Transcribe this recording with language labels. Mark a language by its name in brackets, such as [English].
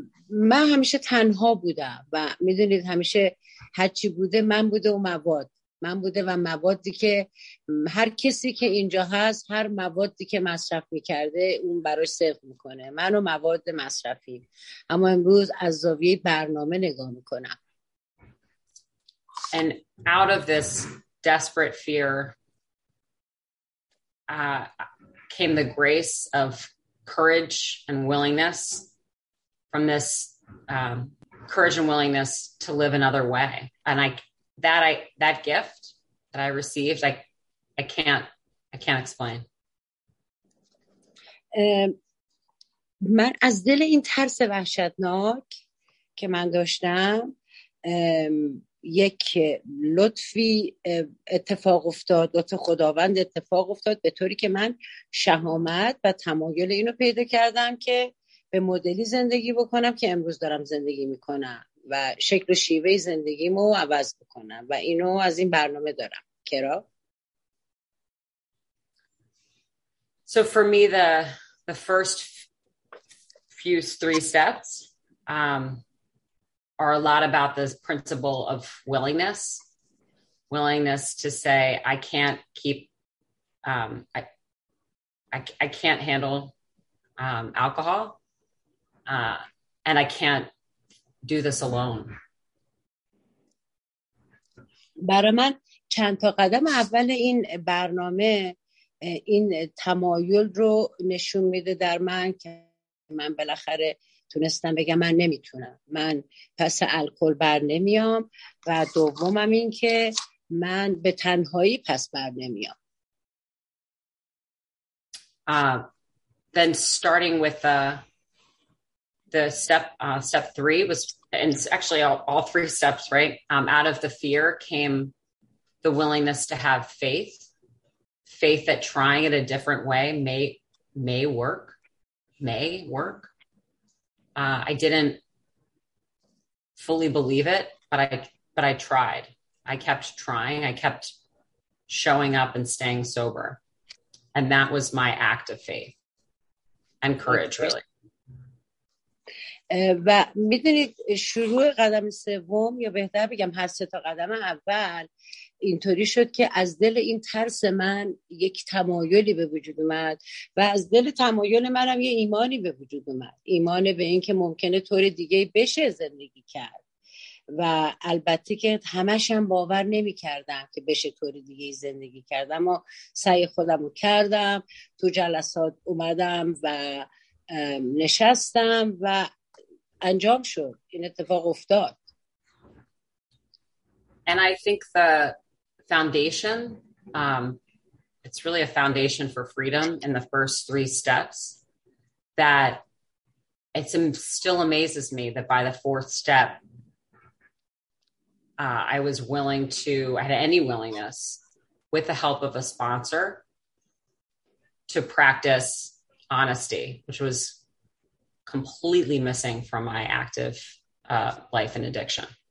[Persian] من همیشه تنها بودم و میدونید همیشه هرچی بوده من بوده و مواد. من بوده و موادی که هر کسی که اینجا هست هر موادی که مصرف میکرده اون براش صفر میکنه. من و مواد مصرفی. اما امروز از زاویه برنامه نگاه میکنم. [English] And out of this desperate fear came the grace of courage and willingness from this courage and willingness to live another way. And that gift that I received, I can't explain. [Persian] من از دل این ترس وحشتناک که من داشتم یک لطفی اتفاق افتاد لطف خداوند اتفاق افتاد به طوری که من شهامت و تمایل اینو پیدا کردم که به مدلی زندگی بکنم که امروز دارم زندگی میکنم و شکل و شیوه زندگیمو عوض بکنم و اینو از این برنامه دارم کرا. [English] So for me the first few three steps are a lot about this principle of willingness to say I can't keep I can't handle alcohol and I can't do this alone. [Persian] برای من چند تا قدم اول این برنامه این تمایل رو نشون میده در من که من بالاخره تونستم بگم من نمیتونم. من پس الکل بر نمیام و دومم این که من به تنهایی پس بر نمیام. [English] Then starting with the step three was, and it's actually all three steps, right? Out of the fear came the willingness to have faith that trying it a different way may work. I didn't fully believe it, but I tried. I kept trying. I kept showing up and staying sober. And that was my act of faith and courage, really. [Persian] و میدونید شروع قدم سوم یا بهتر بگم هر سه تا قدم اول اینطوری شد که از دل این ترس من یک تمایلی به وجود اومد و از دل تمایل منم یه ایمانی به وجود اومد، ایمان به این که ممکنه طور دیگه بشه زندگی کرد و البته که همشم باور نمی کردم که بشه طور دیگه زندگی کرد، اما سعی خودم رو کردم، تو جلسات اومدم و نشستم و انجام شد، این اتفاق افتاد. [English] And I think the foundation, it's really a foundation for freedom in the first three steps, that it still amazes me that by the fourth step, I was willing to, I had any willingness with the help of a sponsor to practice honesty, which was completely missing from my active life and addiction.